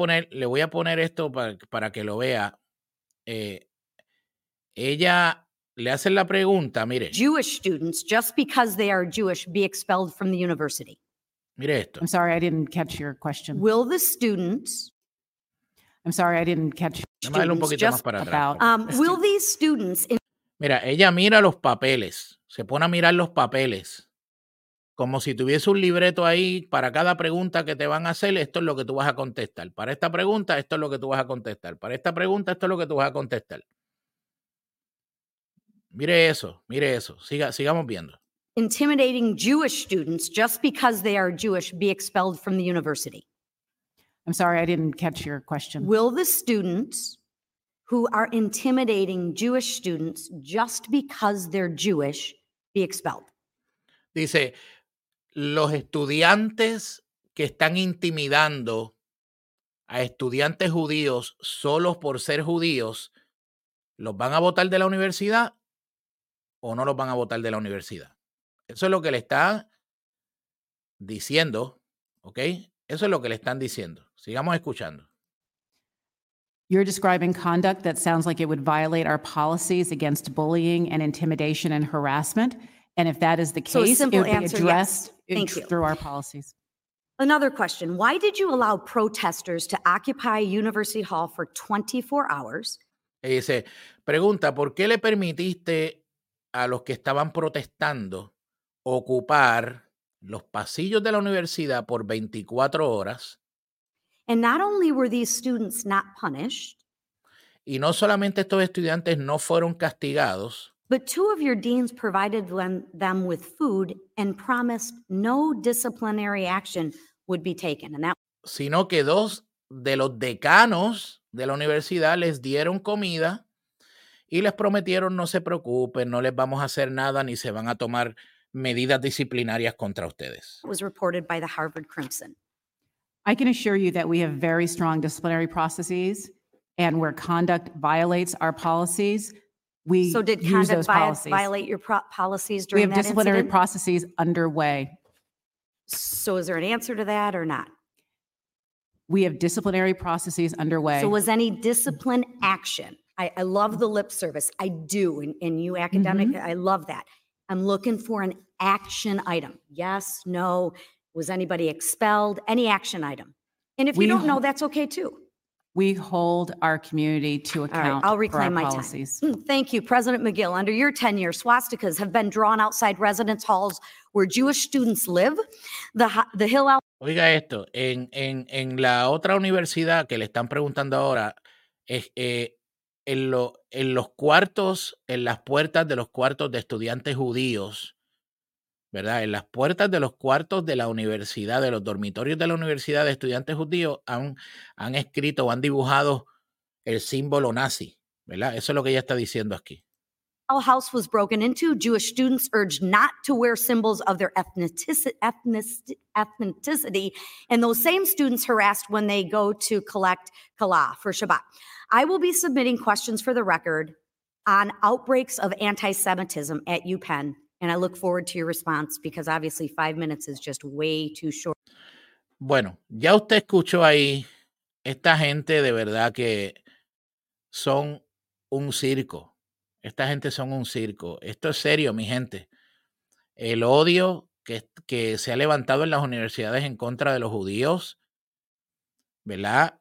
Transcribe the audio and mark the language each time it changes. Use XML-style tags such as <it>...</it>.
<es>Le voy a poner esto para que lo vea. Ella le hace la pregunta, mire.</es> <en>Jewish students just because they are Jewish be expelled from the university.</en> <es>Mire esto.</es> <en>I'm sorry, I didn't catch your question. Will the students... I'm sorry, I didn't catch students</en> <es>un poquito</es> <en>just</en> <es>más para atrás,</es> <en>about... will these students... In-</en> <es>mira, ella mira los papeles. Se pone a mirar los papeles. Como si tuviese un libreto ahí para cada pregunta que te van a hacer, esto es lo que tú vas a contestar. Para esta pregunta, esto es lo que tú vas a contestar. Para esta pregunta, esto es lo que tú vas a contestar. Mire eso. Sigamos viendo.</es> <en>Intimidating Jewish students just because they are Jewish be expelled from the university. I'm sorry, I didn't catch your question. Will the students who are intimidating Jewish students just because they're Jewish be expelled?</en> <es>Dice, los estudiantes que están intimidando a estudiantes judíos solo por ser judíos, ¿los van a botar de la universidad o no los van a botar de la universidad? Eso es lo que le está diciendo, ¿ok? Eso es lo que le están diciendo. Sigamos escuchando.</es> <en>You're describing conduct that sounds like it would violate our policies against bullying and intimidation and harassment. And if that is the case, it would be addressed through our policies. Another question. Why did you allow protesters to occupy University Hall for 24 hours?</en> <es>Y dice, pregunta, ¿por qué le permitiste a los que estaban protestando ocupar los pasillos de la universidad por 24 horas?</es> <en>And not only were these students not punished,</en> <es>y no solamente estos estudiantes no fueron castigados,</es> <en>but two of your deans provided them with food and promised no disciplinary action would be taken. And that,</en> <es>sino que dos de los decanos de la universidad les dieron comida y les prometieron, no se preocupen, no les vamos a hacer nada ni se van a tomar medidas disciplinarias contra ustedes.</es> <en>It was reported by the Harvard Crimson. I can assure you that we have very strong disciplinary processes, and where conduct violates our policies, we use those policies. So did conduct violate your policies during that incident? We have disciplinary processes underway. So is there an answer to that or not? We have disciplinary processes underway. So was any discipline action? I love the lip service. I do, in you academic, mm-hmm. I love that. I'm looking for an action item. Yes, no. Was anybody expelled? Any action item? And if you don't know, that's okay too. We hold our community to account. All right, I'll reclaim my time. Thank you, President McGill. Under your tenure, swastikas have been drawn outside residence halls where Jewish students live. The Hillel.</en> <es>Oiga esto, en la otra universidad que le están preguntando ahora es en los cuartos, en las puertas de los cuartos de estudiantes judíos. ¿Verdad? En las puertas de los cuartos de la universidad, de los dormitorios de la universidad de estudiantes judíos, han escrito o han dibujado el símbolo nazi, ¿verdad? Eso es lo que ella está diciendo aquí.</es> <en>Our house was broken into. Jewish students urged not to wear symbols of their ethnicity, and those same students harassed when they go to collect challah for Shabbat. I will be submitting questions for the record on outbreaks of anti-Semitism at UPenn. And I look forward to your response because obviously 5 minutes is just way too short.</en> <es>Bueno, ya usted escuchó ahí, esta gente de verdad que son un circo. Esta gente son un circo. Esto es serio, mi gente. El odio que se ha levantado en las universidades en contra de los judíos, ¿verdad?</es>